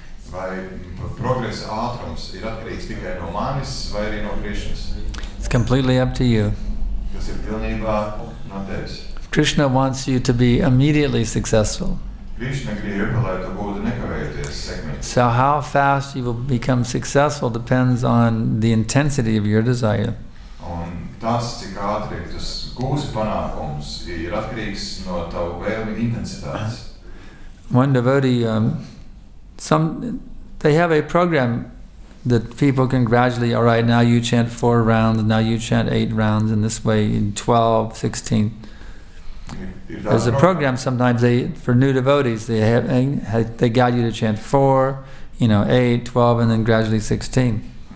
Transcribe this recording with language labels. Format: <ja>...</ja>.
<lv>Vai progresa ātrums ir atkarīgs tikai no manis vai arī no Krišnas?</lv> <en>It's completely up to you.</en> <lv>Tas ir pilnībā no tevis.</lv> <en>Of Krishna wants you to be immediately successful.</en> <lv>Krishna grib, lai tu būtu nekavējoties sekmīgs.</lv> <en>So how fast you will become successful depends on the intensity of your desire.</en> <lv>Un tas, cik ātri tu gūsi panākums, ir atkarīgs no tavu vēlmi intensitātes.</lv> <en>One devotee, they have a program that people can gradually, all right, now you chant 4 rounds, now you chant 8 rounds, and this way in 12, 16. There's a program sometimes for new devotees, they guide you to chant 4, 8, 12, and then gradually 16.</en>